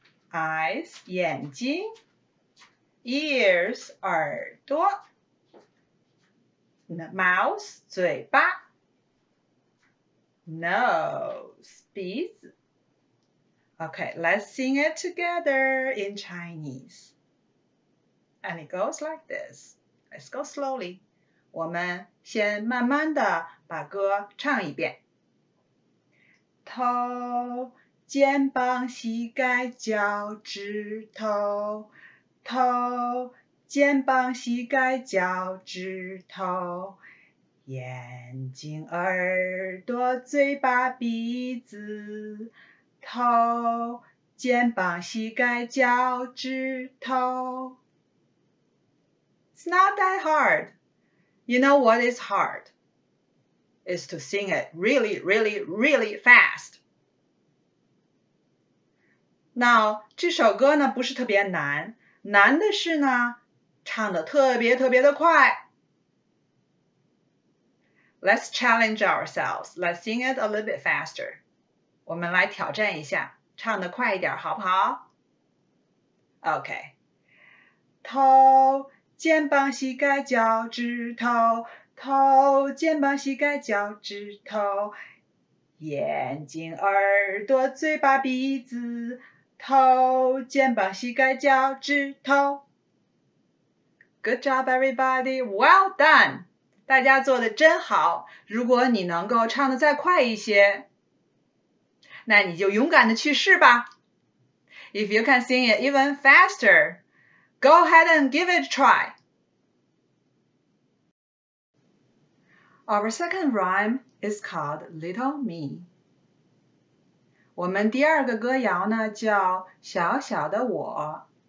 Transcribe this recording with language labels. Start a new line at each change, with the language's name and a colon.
English: eyes, 眼睛, ears, 耳朵, mouth, 嘴巴, nose, 鼻子, Okay, let's sing it together in Chinese. And it goes like this. Let's go slowly.
Chinese: 我们先慢慢地把歌唱一遍。头，肩膀，膝盖，脚趾头。头，肩膀，膝盖，脚趾头。眼睛，耳朵，嘴巴，鼻子。头，肩膀，膝盖，脚趾头。
English: It's not that hard. You know what is hard? It's to sing it really, really, really fast.
Chinese: Now, 这首歌呢不是特别难，难的是呢，唱得特别特别的快。
English: Let's challenge ourselves. Let's sing it a little bit faster.
Chinese: 我们来挑战一下，唱得快一点，好不好 ？OK， 头，肩膀，膝盖，脚趾头，头，肩膀，膝盖，脚趾头，眼睛，耳朵，嘴巴，鼻子，头，肩膀，膝盖，脚趾头。
English: Good job, everybody! Well done!
Chinese: 大家做得真好。如果你能够唱得再快一些。那你就勇敢的去试吧。
English: If you can sing it even faster, go ahead and give it a try. Our second rhyme is called Little Me.
Chinese: 我们第二个歌谣呢叫小小的我。